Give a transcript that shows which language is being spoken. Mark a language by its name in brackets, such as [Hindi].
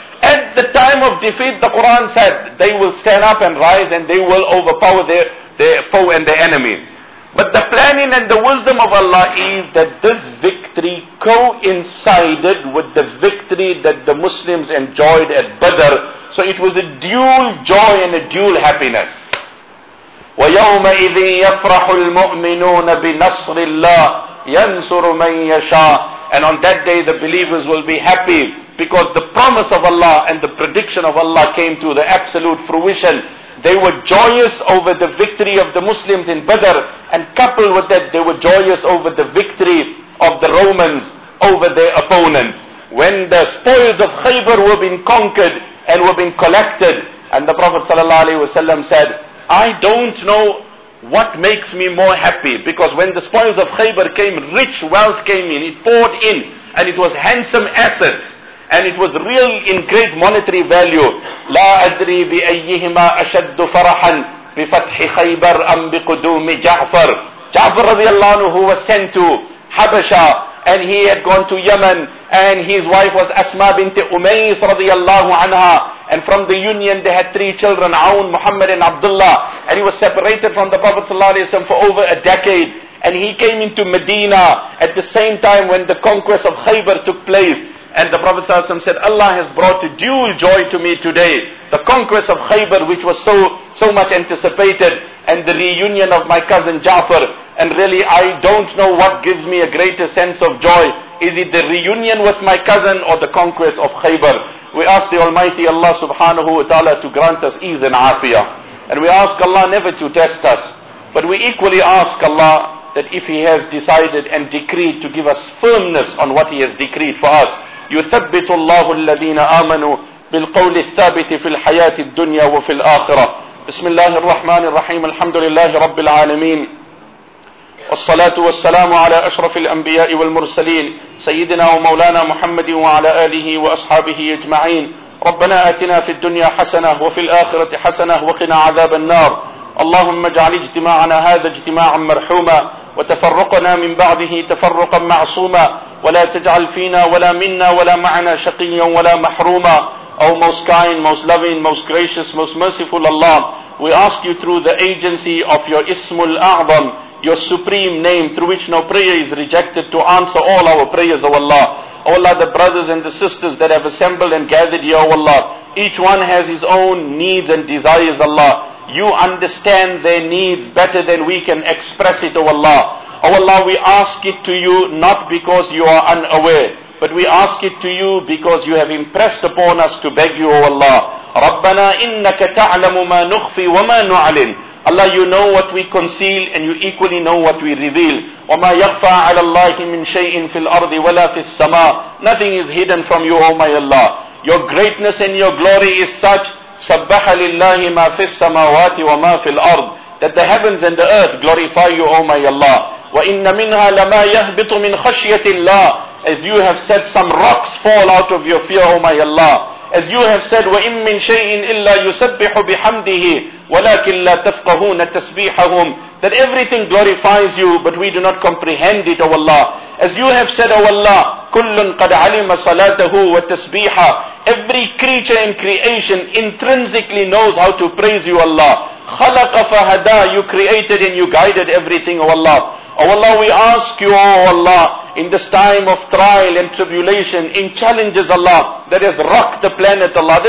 [English] At the time of defeat, the Quran said, they will stand up and rise, and they will overpower their foe and their enemy. But the planning and the wisdom of Allah is that this victory coincided with the victory that the Muslims enjoyed at Badr. So it was a dual joy and a dual happiness. [Arabic] ويومئذ يفرح المؤمنون بنصر الله ينصر من يشاء. [English] And on that day the believers will be happy because the promise of Allah and the prediction of Allah came to the absolute fruition. They were joyous over the victory of the Muslims in Badr, and coupled with that they were joyous over the victory of the Romans over their opponent. When the spoils of Khaybar were being conquered and were being collected, and the Prophet ﷺ said, I don't know what makes me more happy, because when the spoils of Khaybar came, rich wealth came in, it poured in, and it was handsome assets. And it was real in great monetary value. [Arabic] لا أدري بأيهما أشد فرحا بفتح خيبر أم بقدوم جعفر. [English] Ja'far radiallahu anhu was sent to Habasha, and he had gone to Yemen, and his wife was Asma bint Umays radiallahu anha. And from the union they had three children, Aun, Muhammad and Abdullah. And he was separated from the Prophet sallallahu alayhi wa sallam for over a decade. And he came into Medina at the same time when the conquest of Khaybar took place. And the Prophet ﷺ said, Allah has brought a dual joy to me today. The conquest of Khaybar, which was so much anticipated, and the reunion of my cousin Ja'far. And really, I don't know what gives me a greater sense of joy. Is it the reunion with my cousin or the conquest of Khaybar? We ask the Almighty Allah subhanahu wa ta'ala to grant us ease and afiyah. And we ask Allah never to test us. But we equally ask Allah that if He has decided and decreed to give us firmness on what He has decreed for us, [Arabic] يثبت الله الذين آمنوا بالقول الثابت في الحياة الدنيا وفي الآخرة. بسم الله الرحمن الرحيم. الحمد لله رب العالمين، والصلاة والسلام على أشرف الأنبياء والمرسلين سيدنا ومولانا محمد وعلى آله وأصحابه أجمعين. ربنا آتنا في الدنيا حسنة وفي الآخرة حسنة وقنا عذاب النار. اللهم اجعل اجتماعنا هذا اجتماعا مرحوما، وتفرقنا من بعده تفرقا معصوما، ولا تجعل فينا ولا منا ولا معنا شقيا ولا محروما. [English] O most kind, most loving, most gracious, most merciful Allah, we ask you through the agency of your Ismul A'zam, your supreme name through which no prayer is rejected, to answer all our prayers, O Allah. O Allah, the brothers and the sisters that have assembled and gathered here, O Allah, each one has his own needs and desires, Allah. You understand their needs better than we can express it, O Allah. O Allah, we ask it to you not because you are unaware, but we ask it to you because you have impressed upon us to beg you, O Allah. [Arabic] رَبَّنَا إِنَّكَ تَعْلَمُ مَا نُخْفِي وَمَا نُعْلِنْ. [English] Allah, you know what we conceal and you equally know what we reveal. [Arabic] وَمَا يَخْفَى عَلَى اللَّهِ مِنْ شَيْءٍ فِي الْأَرْضِ وَلَا فِي السَّمَاءِ. [English] Nothing is hidden from you, O my Allah. Your greatness and your glory is such, [Arabic] سَبَّحَ لِلَّهِ مَا فِي السَّمَاوَاتِ وَمَا فِي الْأَرْضِ. [English] That the heavens and the earth glorify you, O my Allah. [Arabic] وَإِنَّ مِنْهَا لَمَا يَهْبِطُ مِنْ خَشْيَةِ اللَّهِ. [English] As you have said, some rocks fall out of your fear, O my Allah. As you have said, [Arabic] وَإِنْ مِنْ شَيْءٍ إِلَّا يُسَبِّحُ بِحَمْدِهِ وَلَكِنْ لَا تَفْقَهُونَ تَسْبِيحَهُمْ. [English] That everything glorifies you, but we do not comprehend it, O Allah. As you have said, O Allah, [Arabic] كُلٌّ قَدْ عَلِمَ صَلَاتَهُ وَتَسْبِيحَهُ. [English] Every creature in creation intrinsically knows how to praise you, Allah. [Arabic] خَلَقَ فَهَدَى. [English] You created and you guided everything, O Allah. O Allah, we ask you, O Allah, in this time of trial and tribulation, in challenges, Allah, that has rocked the planet, Allah.